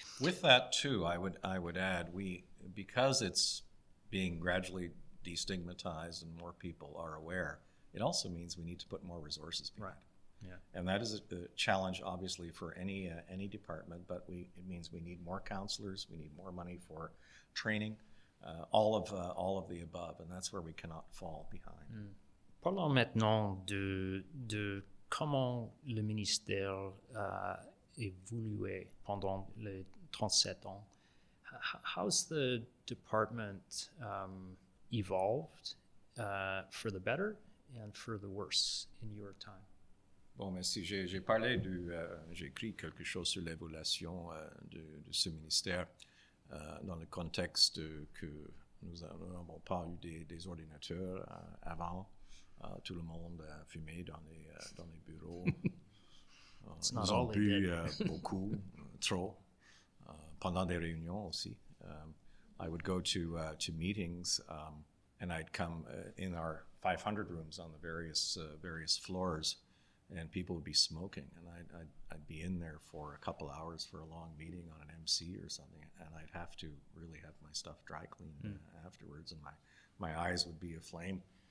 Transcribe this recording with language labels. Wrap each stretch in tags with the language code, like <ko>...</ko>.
<en>With that too, I would add, because it's being gradually destigmatized and more people are aware, it also means we need to put more resources behind. Right. Yeah. And that is a challenge, obviously, for any department, but it means we need more counselors, we need more money for training, all of the above, and that's where we cannot fall behind.</en> <fr>Parlons maintenant de comment le ministère évolué pendant les 37 ans.</fr> <en>How's the department evolved for the better and for the worse in your time.</en> <fr>Bon, merci. J'ai parlé de, j'ai écrit quelque chose sur l'évolution de ce ministère dans le contexte que nous n'avons pas eu des ordinateurs avant. Tout le monde a fumé dans les bureaux. Ils ont bu beaucoup, trop, pendant des réunions aussi.</fr> <en>I would go to meetings and I'd come in our 500 rooms on the various floors, and people would be smoking, and I'd be in there for a couple hours for a long meeting on an MC or something, and I'd have to really have my stuff dry clean afterwards, and my eyes would be aflame.</en>